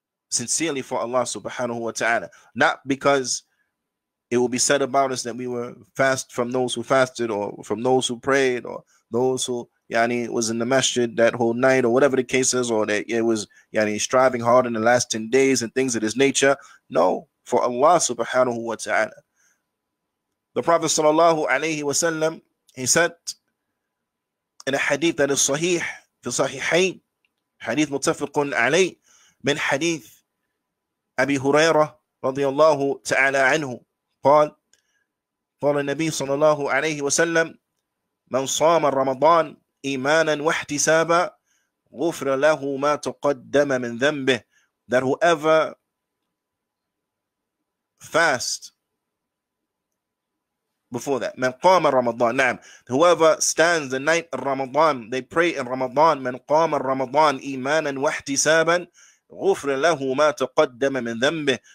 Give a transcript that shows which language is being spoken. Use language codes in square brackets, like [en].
[en] Sincerely for Allah subhanahu wa ta'ala. Not because it will be said about us that we were fast from those who fasted or from those who prayed or those who, yani, was in the masjid that whole night or whatever the case is, or that it was, yani, striving hard in the last 10 days and things of this nature. No, for Allah subhanahu wa ta'ala. The Prophet sallallahu alayhi wa sallam, he said in a hadith that is sahih, fi sahihain, [ar] حديث متفق عليه من حديث أبي هريرة رضي الله تعالى عنه قال قال النبي صلى الله عليه وسلم من صام رمضان إيمانا واحتسابا غفر له ما تقدم من ذنبه. [en] That whoever fast before that, [ar] من قام رمضان, [en] نعم, whoever stands the night of Ramadan, they pray in Ramadan, [ar] من قام رمضان إيمانا واحتسابا غفر له ما تقدم من ذنبه.